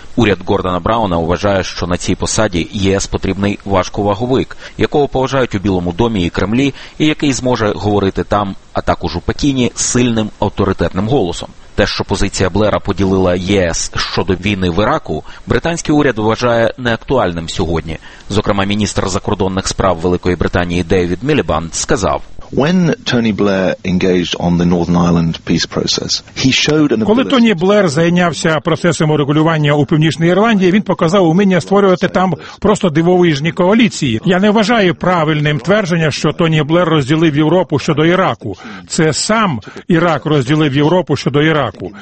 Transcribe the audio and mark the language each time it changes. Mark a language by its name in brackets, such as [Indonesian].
[Ukrainian] Уряд Гордона Брауна вважає, що на цій посаді ЄС потрібний важковаговик, якого поважають у Білому домі і Кремлі, і який зможе говорити там, а також у Пекіні, сильним авторитетним голосом. Те, що позиція Блера поділила ЄС щодо війни в Іраку, британський уряд вважає неактуальним сьогодні. Зокрема, міністр закордонних справ Великої Британії Девід Мілібанд сказав: [English] When Tony Blair engaged on the Northern Ireland peace process, he showed an ability. [Ukrainian] Коли Тоні Блер зайнявся процесом урегулювання у Північній Ірландії, він показав уміння створювати там просто дивовижні коаліції. Я не вважаю правильним твердження, що Тоні Блер розділив Європу щодо Іраку. Це сам Ірак розділив Європу щодо Іраку.